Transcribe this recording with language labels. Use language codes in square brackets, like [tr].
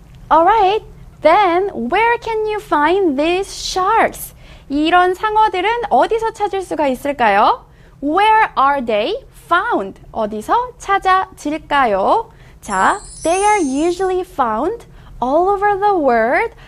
[en] Alright, then where can you find these sharks? [ko] 이런 상어들은 어디서 찾을 수가 있을까요? [en] Where are they found? [ko] 어디서 찾아질까요? [en] 자, they are usually found all over the world.